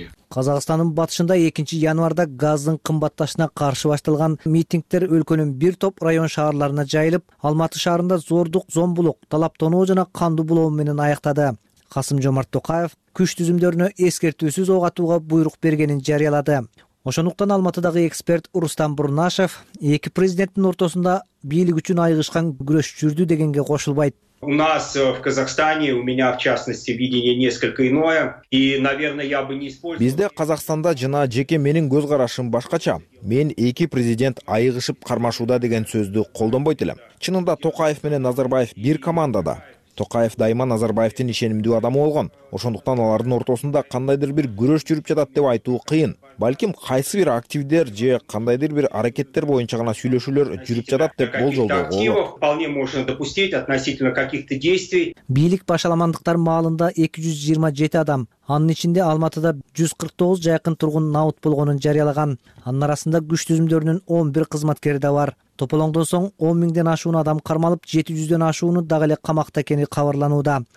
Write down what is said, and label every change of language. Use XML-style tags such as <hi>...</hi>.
<ky>Казакстандын батышында 2 январда газдын кымбатташына каршы башталган митингдер өлкөнүн бир топ район шаарларына жайылып, Алматы шаарында зордук зомбулук, талаптоноо жана кандуу булоо менен аяктады. Касым Жомарт Токаев күч түзүмдөрүнө эскертүүсүз ок атууга буйрук бергенин жарыялады. Ошондуктан Алматыдагы эксперт Рустам Бурнашев эки президенттин ортосунда бийлик үчүн айгышкан күрөш жүрдү дегенге кошулбайт.</ky> <ru>У нас в Казахстане, у меня в частности, видение несколько иное, и, наверное, я бы не использовал.</ru> <ky>Бизде Казакстанда жана жеке менин көз карашым башкача. Мен эки президент айгышып кармашууда деген сөздү колдонбойт элем. Чынында Токаев менен Назарбаев бир командада. Токаев дайыма Назарбаевдин ишенимдүү адамы болгон. Ошондуктан алардын ортосунда кандайдыр бир күрөш жүрүп жатат деп айтуу кыйын. Балким кайсы бир активдер же кандайдыр бир аракеттер боюнча гана сүйлөшүүлөр жүрүп жатат деп болжолдоого болот.</ky> <ru>Вполне можно допустить относительно каких-то действий.</ru> <ky>Бийлик башаламандыктар маалында 227 адам, анын ичинде Алматыда 149 жакын тургун наут болгонун жарыялаган. Анын арасында күч түзүмдөрүнүн 11 кызматкери да бар. Тополоңдон соң 10,000 ашуун адам кармалып, 700 ашууну дагы эле камакта экени кабарланууда.</ky>